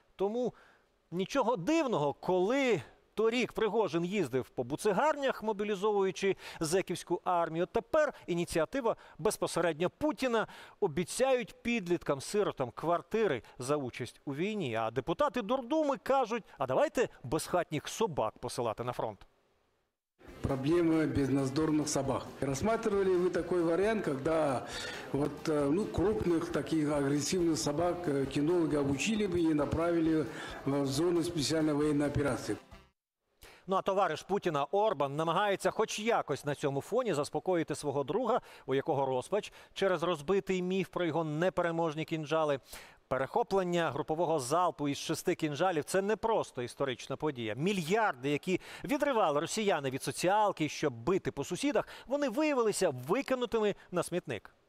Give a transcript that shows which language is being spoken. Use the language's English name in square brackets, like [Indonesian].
[Ukrainian] Тому нічого дивного, коли торік Пригожин їздив по буцегарнях, мобілізовуючи зеківську армію, тепер ініціатива безпосередньо Путіна. Обіцяють підліткам-сиротам квартири за участь у війні, а депутати Дурдуми кажуть, а давайте безхатніх собак посилати на фронт. [Russian] Проблемы безнадзорных собак. Рассматривали вы такой вариант, когда вот, ну, крупных таких агрессивных собак кинологи обучили бы и направили в зону специальной военной операции? [Ukrainian] Ну а товариш Путіна Орбан намагається хоч якось на цьому фоні заспокоїти свого друга, у якого розпач через розбитий міф про його непереможні кінжали. Перехоплення групового залпу із 6 кінжалів – це не просто історична подія. Мільярди, які відривали росіяни від соціалки, щоб бити по сусідах, вони виявилися викинутими на смітник.